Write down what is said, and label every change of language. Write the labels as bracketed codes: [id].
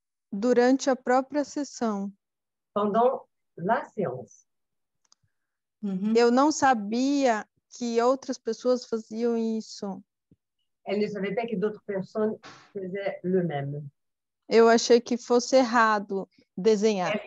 [pt] Durante a própria sessão. [fr] Pendant la séance. [pt] Eu não sabia que outras pessoas faziam isso. [fr] Elle ne savait pas que d'autres personnes faisaient le même. [pt] Eu achei que fosse errado desenhar.